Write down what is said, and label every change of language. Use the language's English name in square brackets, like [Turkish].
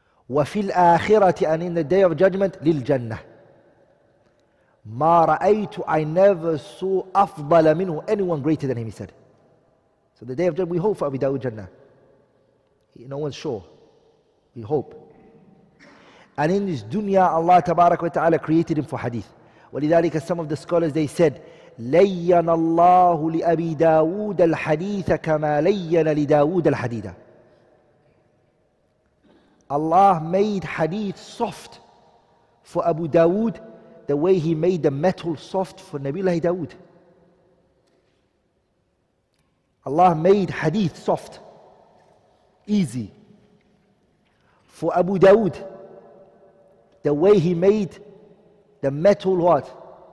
[Arabic] وَفِي الْآخِرَةِ [English] and in the day of judgment [Arabic] لِلْجَنَّةِ مَا رَأَيْتُ. [English] I never saw [Arabic] أَفْضَلَ مِنْهُ, [English] anyone greater than him, he said. So the day of judgment, we hope for Abu Dawood Jannah. No one's sure. We hope. And in this dunya, Allah tabarak wa ta'ala created him for hadith. [Arabic] وَلِذَلِكَ [English] some of the scholars, they said, [Arabic] لَيَّنَ اللَّهُ لِأَبِي دَاوُودَ الْحَدِيثَ كَمَا لَيَّنَ لِدَاوُودَ الْحَدِيدَ. [English] Allah made hadith soft for Abu Dawood the way he made the metal soft for Nabiullah Dawood. Allah made hadith soft, easy for Abu Dawood the way he made the metal what?